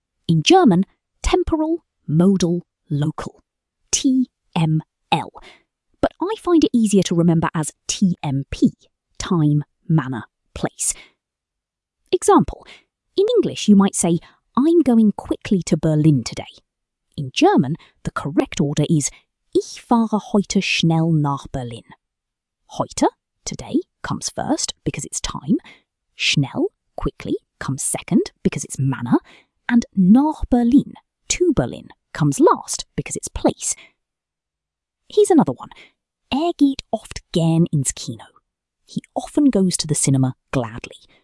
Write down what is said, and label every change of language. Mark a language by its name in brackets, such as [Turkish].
[English] In German, temporal, modal, local. T-M-L. But I find it easier to remember as T-M-P, time, manner, place. Example, in English you might say, I'm going quickly to Berlin today. In German, the correct order is, [German] ich fahre heute schnell nach Berlin. [English] Heute, today, comes first because it's time. Schnell, quickly, comes second because it's manner. And nach Berlin, to Berlin, comes last because it's place. Here's another one. [German] Geht oft gern ins Kino. [English] He often goes to the cinema gladly.